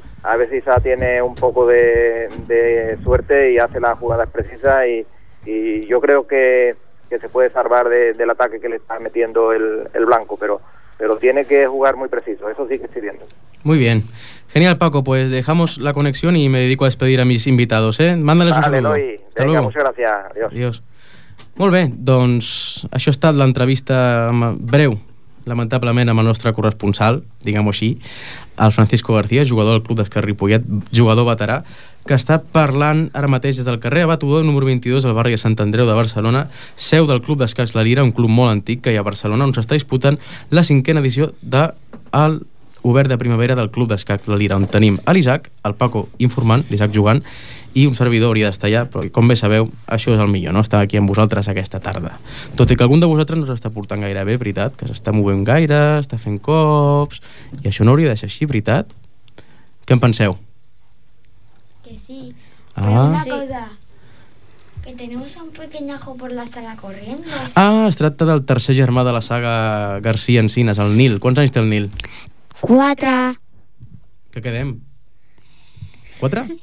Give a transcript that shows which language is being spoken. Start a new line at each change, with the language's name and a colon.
Spanish: A ver si Isaac tiene un poco de suerte y hace las jugadas precisas y yo creo que se puede salvar del ataque que le está metiendo el blanco, pero tiene que jugar muy preciso, eso sí que estoy viendo. Muy bien. Genial, Paco, pues dejamos la conexión y me dedico a despedir a mis invitados, Mándales vale, un saludo. Hasta luego. Muchas gracias. Adiós. Adiós.
Catalan: Molt bé, doncs això ha estat l'entrevista breu, lamentablement, amb el nostre corresponsal, diguem-ho així, el Francisco García, jugador del Club d'Esquerra Ripollet, jugador veterà, que està parlant ara mateix des del carrer Abat Odó, número 22, al barri de Sant Andreu de Barcelona, seu del Club d'Escacs La Lira, un club molt antic que hi ha a Barcelona, on s'està disputant la 5a edició del Obert de Primavera del Club d'Escacs La Lira, on tenim a l'Isaac, el Paco informant, l'Isaac jugant, i un servidor hauria d'estar allà, però com bé sabeu, això és el millor, no? Estar aquí amb vosaltres aquesta tarda. Tot i que algun de vosaltres no s'està portant gaire bé, veritat, que s'està movent gaire, està fent cops, i això no hauria de ser així, veritat? Què en penseu?
Spanish: Sí, pero una cosa, que tenemos un pequeñajo por la sala corriendo.
Catalan: Ah, es tracta del tercer germà de la saga García Encinas, el Nil. Quants anys té el Nil? 4. Què quedem? 4?